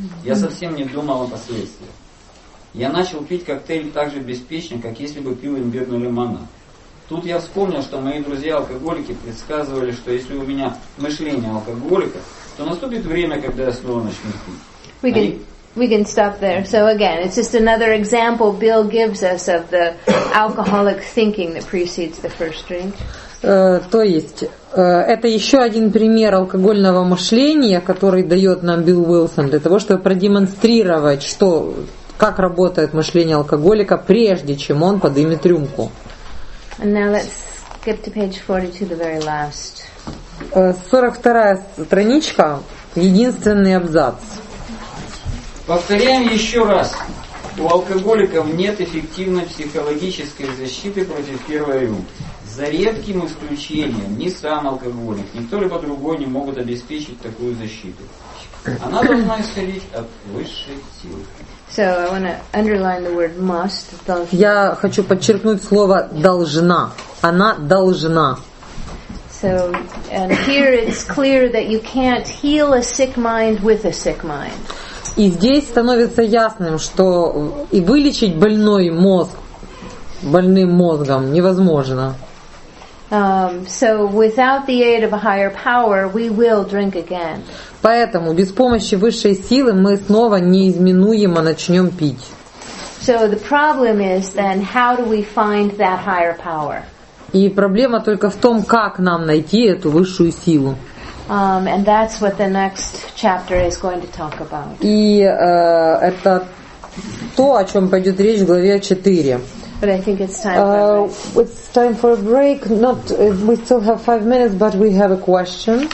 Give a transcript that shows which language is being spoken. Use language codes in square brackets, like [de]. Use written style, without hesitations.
[ru] Я совсем не думал о последствиях. Я начал пить коктейль так же беспечно, как если бы пил имбирный лимонад. Тут я вспомнил, что мои друзья-алкоголики предсказывали, что если у меня мышление алкоголика, то наступит время, когда я снова начну пить. [en] We can stop there. So again, it's just another example Bill gives us of the alcoholic thinking that precedes the first drink. [ru] То есть, это еще один пример алкогольного мышления, который дает нам Билл Уилсон для того, чтобы продемонстрировать, что, как работает мышление алкоголика, прежде чем он подымет рюмку. [en] And now let's skip to page 42, the very last. [ru] 42-я страничка, единственный абзац. Повторяем еще раз. У алкоголиков нет эффективной психологической защиты против первой рюмки. За редким исключением ни сам алкоголик, ни кто-либо другой не могут обеспечить такую защиту. Она должна исходить от высшей силы. [en] So I want to underline the word must. [ru] Я хочу подчеркнуть слово должна. Она должна. [en] So and here it's clear that you can't heal a sick mind with a sick mind. [ru] И здесь становится ясным, что и вылечить больной мозг больным мозгом невозможно. [en] So without the aid of a higher power, we will drink again. [ru] Поэтому без помощи высшей силы мы снова неизменуемо начнем пить. [en] So the problem is then how do we find that higher power? [ru] И проблема только в том, как нам найти эту высшую силу. [en] And that's what the next chapter is going to talk about. [ru] И это то, о чем пойдет речь в главе 4. [en] But I think it's time for a break. It's time for a break. Not, we still have 5 minutes, but we have a question.